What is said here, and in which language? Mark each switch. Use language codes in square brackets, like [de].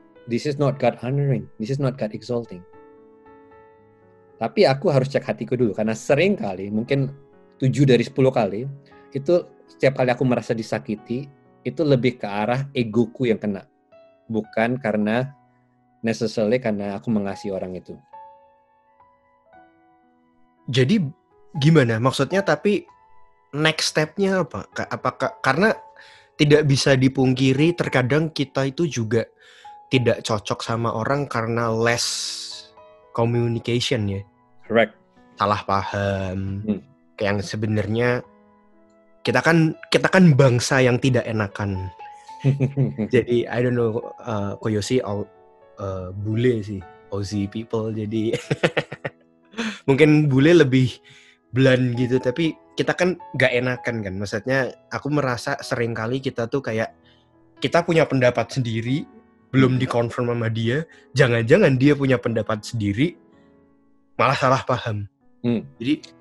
[en] This is not God honoring. This is not God exalting. [id] Tapi aku harus cek hatiku dulu karena sering kali, mungkin 7 dari 10 kali, itu setiap kali aku merasa disakiti, itu lebih ke arah egoku yang kena. Bukan karena necessarily karena aku mengasihi orang itu. Jadi gimana maksudnya? Tapi next step-nya apa? Apakah karena tidak bisa dipungkiri terkadang kita itu juga tidak cocok sama orang karena less communication ya? Correct. Salah paham. Kayak yang sebenarnya kita kan bangsa yang tidak enakan. [en] Jadi I don't know, Koyoshi out. [id] Bule sih, Aussie people, jadi mungkin bule lebih blunt gitu, tapi kita kan gak enakan kan, maksudnya aku merasa seringkali kita tuh kayak kita punya pendapat sendiri belum dikonfirm sama dia, jangan-jangan dia punya pendapat sendiri malah salah paham. Jadi